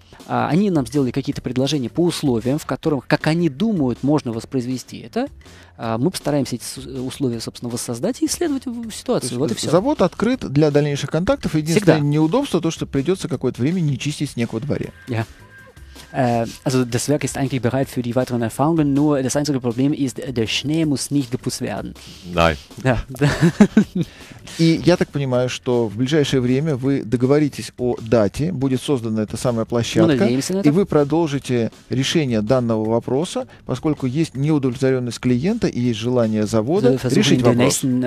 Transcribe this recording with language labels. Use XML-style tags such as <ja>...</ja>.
<ru>Они нам сделали какие-то предложения по условиям, в которых, как они думают, можно воспроизвести это. Мы постараемся эти условия, собственно, воссоздать и исследовать ситуацию. Вот и все. Завод открыт для дальнейших контактов. Единственное неудобство то, что придется какое-то время не чистить снег во дворе. Yeah.</ru> <de>Also das Werk ist eigentlich bereit für die weiteren Erfahrungen, nur das einzige Problem ist, der Schnee muss nicht geputzt werden. Nein. Ja.</de> <ru>И я так понимаю, что в ближайшее время вы договоритесь о дате, будет создана эта самая площадка, и вы продолжите решение данного вопроса, поскольку есть неудовлетворенность клиента и есть желание завода решить вопрос.</ru>